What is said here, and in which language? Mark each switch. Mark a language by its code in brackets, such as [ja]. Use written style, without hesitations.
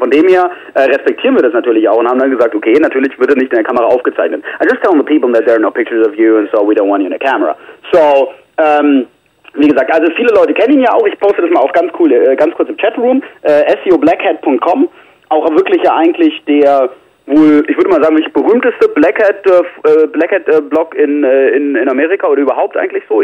[de] Von dem her respektieren wir das natürlich auch und haben dann gesagt, okay, natürlich wird er nicht in der Kamera aufgezeichnet. [en] I just tell the people that there are no pictures of you and so we don't want you in the camera. [de] So, wie gesagt, also viele Leute kennen ihn ja auch. Ich poste das mal auch ganz cool, ganz kurz im Chatroom. SEOblackhat.com, auch wirklich ja eigentlich der wohl, ich würde mal sagen, wirklich berühmteste Blackhat-Blog in Amerika oder überhaupt eigentlich so.